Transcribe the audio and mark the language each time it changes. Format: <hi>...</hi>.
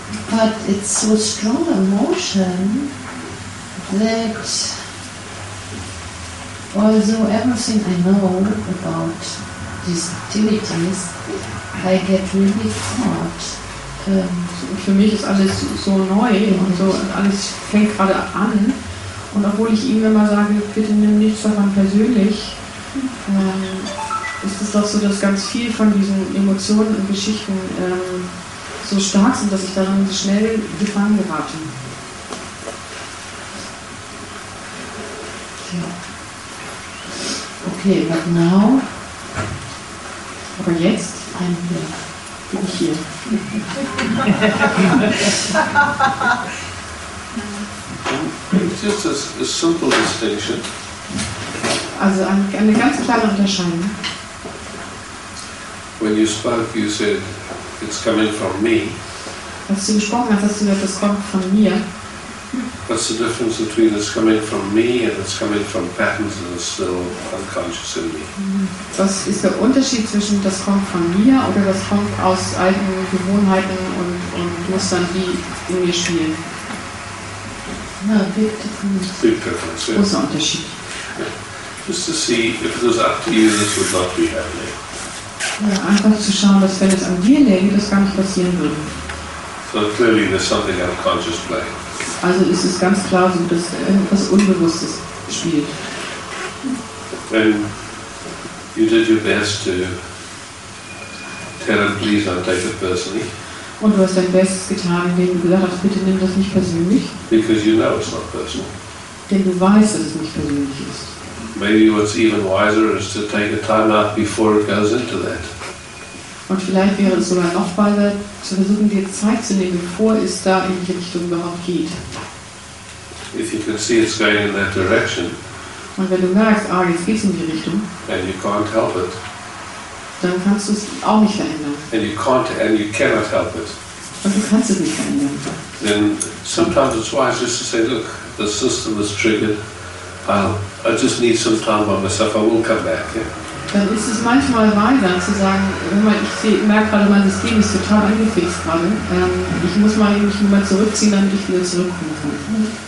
<en>but it's so strong emotion that although everything I know about these activities, I get really caught.</en> <de>Für mich ist alles so neu und so, und alles fängt gerade an. Und obwohl ich ihm immer sage, bitte nimm nichts davon persönlich, ist es doch so, dass ganz viel von diesen Emotionen und Geschichten so stark sind, dass ich daran so schnell gefangen gerate.</de> <en>Okay, but now?</en> <de>Aber jetzt? Bin ich hier.</de> <en>It's just a simple distinction.</en> <de>Also eine ganz kleine Unterscheidung.</de> <en>When you spoke, you said it's coming from me.</en> <de>Als du gesprochen hast, hast du gesagt, es kommt von mir.</de> <en>What's the difference between it's coming from me and it's coming from patterns that are still unconscious in me?</en> <de>Was ist der Unterschied zwischen das kommt von mir oder das kommt aus alten Gewohnheiten und Mustern, die in mir spielen?</de> <en>Na, big difference. Big difference, yeah.</en> <de>Großer Unterschied.</de> <en>Yeah. Just to see if it was up to you, this would not be happening.</en> <de>Ja, einfach zu schauen, dass wenn es an dir läge, das gar nicht passieren würde.</de> <en>So clearly there's something unconscious playing.</en> <de>Also ist es ganz klar, so, dass etwas Unbewusstes spielt.</de> <en>And you did your best to tell him, please don't take it personally.</en> <de>Und du hast dein Bestes getan, indem du gesagt hast, bitte nimm das nicht persönlich.</de> <en>Because you know it's not personal.</en> <de>Denn du weißt, dass es nicht persönlich ist.</de> <en>maybe what's even wiser is to take a time out before it goes into that.</en> <de>Und vielleicht wäre es sogar noch weiser, zu versuchen, dir Zeit zu nehmen, bevor es da in die Richtung überhaupt geht.</de> <en>If you can see it's going in that direction,</en> <de>und wenn du merkst, ah, jetzt geht es in die Richtung,</de> <en>and you can't help it,</en> <de>dann kannst du es auch nicht verändern.</de> <en>And you can't, and you cannot help it.</en> <de>Und du kannst es nicht verändern.</de> <en>Then sometimes it's wise just to say, look, the system is triggered. I just need some time by myself. I will come back. Yeah.</en> <de>Dann ist es manchmal weiser zu sagen, ich merke gerade, mein System ist total angefixt gerade. Ich muss mal mich mal zurückziehen, damit ich wieder zurückkommen kann.</de>